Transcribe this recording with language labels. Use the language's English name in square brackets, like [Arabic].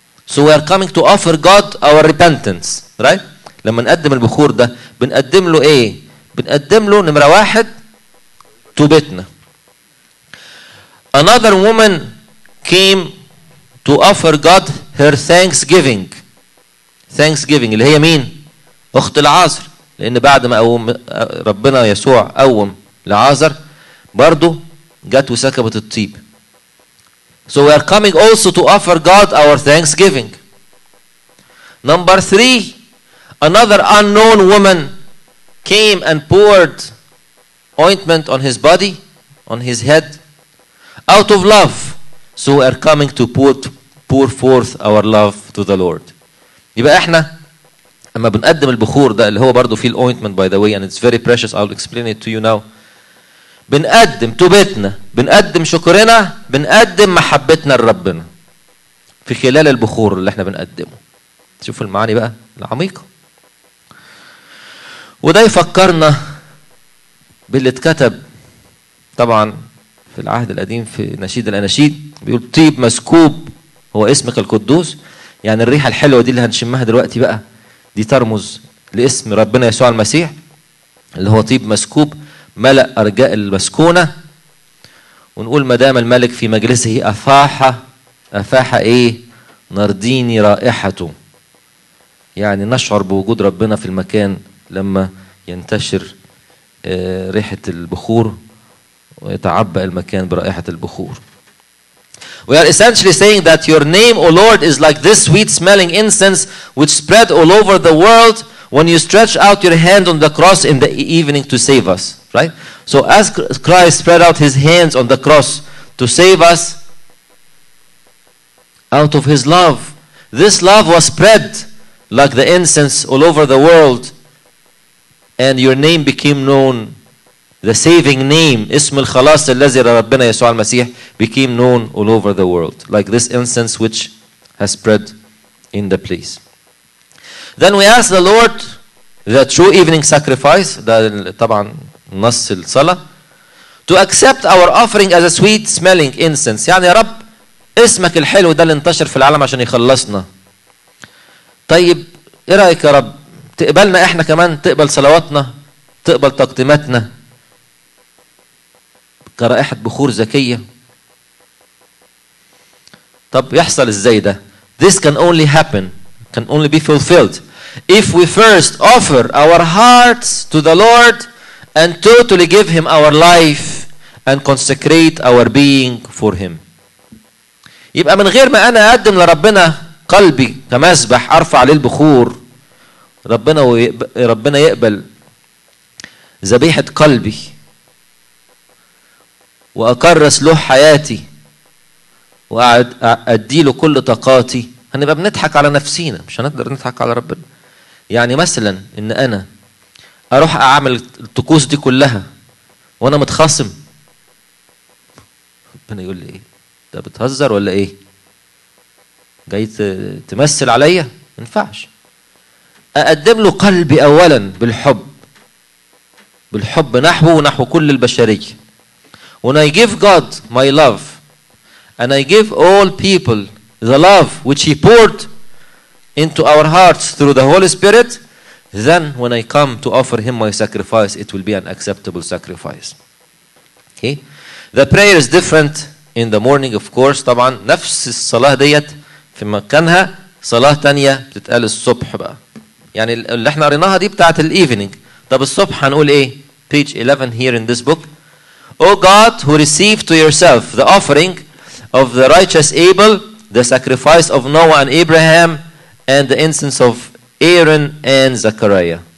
[English] so we are coming to offer God our repentance right [Arabic] لما نقدم البخور ده بنقدم له ايه بنقدم له نمرة واحد توبتنا [English] another woman came to offer God her thanksgiving [Arabic] thanksgiving اللي هي مين؟ أخت العازر. لأن بعد ما قوم ربنا يسوع قوم العازر برضو جت وسكبت الطيب. [English] So we are coming also to offer God our thanksgiving. Number three, another unknown woman came and poured ointment on his body, on his head, out of love. So we are coming to pour forth our love to the Lord. [Arabic] يبقى احنا لما بنقدم البخور ده اللي هو برضو فيه الointment [English] by the way and it's very precious, I'll explain it to you now. [Arabic] بنقدم توبتنا, بنقدم شكرنا, بنقدم محبتنا لربنا في خلال البخور اللي احنا بنقدمه. شوفوا المعاني بقى العميقة. وده يفكرنا باللي اتكتب طبعا في العهد القديم في نشيد الأناشيد, بيقول طيب مسكوب هو اسمك القدوس. يعني الريحة الحلوة دي اللي هنشمها دلوقتي بقى دي ترمز لاسم ربنا يسوع المسيح اللي هو طيب مسكوب ملأ أرجاء المسكونة. ونقول مدام الملك في مجلسه أفاحة, أفاحة إيه؟ نرديني رائحته. يعني نشعر بوجود ربنا في المكان لما ينتشر ريحة البخور ويتعبأ المكان برائحة البخور. [English] We are essentially saying that your name, O Lord, is like this sweet-smelling incense which spread all over the world when you stretch out your hand on the cross in the evening to save us. Right? So as Christ spread out his hands on the cross to save us out of his love, this love was spread like the incense all over the world, and your name became known, the saving name, [Arabic] اسم الخلاص الذي ربنا يسوع المسيح, [English] became known all over the world, like this incense which has spread in the place. Then we ask the Lord, the true evening sacrifice, [Arabic] طبعا نص الصلاة, [English] to accept our offering as a sweet smelling incense. [Arabic] يعني يا رب اسمك الحلو ده اللي انتشر في العالم عشان يخلصنا, طيب ايه رأيك يا رب تقبلنا احنا كمان, تقبل صلواتنا, تقبل تقديماتنا كرائحة بخور زكية. طب يحصل ازاي ده؟ [English] This can only happen, can only be fulfilled if we first offer our hearts to the Lord and totally give him our life and consecrate our being for him. [Arabic] يبقى من غير ما انا اقدم لربنا قلبي كمسبح ارفع للبخور, ربنا ربنا يقبل ذبيحة قلبي واكرس له حياتي واقعد ادي له كل طاقاتي, هنبقى بنضحك على نفسينا مش هنقدر نضحك على ربنا. يعني مثلا ان انا اروح اعمل الطقوس دي كلها وانا متخاصم, ربنا يقول لي ايه ده بتهزر ولا ايه, جاي تمثل عليا؟ منفعش. اقدم له قلبي اولا بالحب, بالحب نحوه ونحو كل البشرية. [English] When I give God my love and I give all people the love which he poured into our hearts through the Holy Spirit, then when I come to offer him my sacrifice, it will be an acceptable sacrifice. Okay? The prayer is different in the morning, of course. [Arabic] طبعا نفس الصلاة ديت في مكانها صلاة تانية بتتقال الصبح بقى. يعني اللي احنا قريناها دي بتاعت الايفنينج. طب الصبح هنقول ايه؟ [English] Page 11 here in this book. O God, who received to yourself the offering of the righteous Abel, the sacrifice of Noah and Abraham, and the incense of Aaron and Zechariah.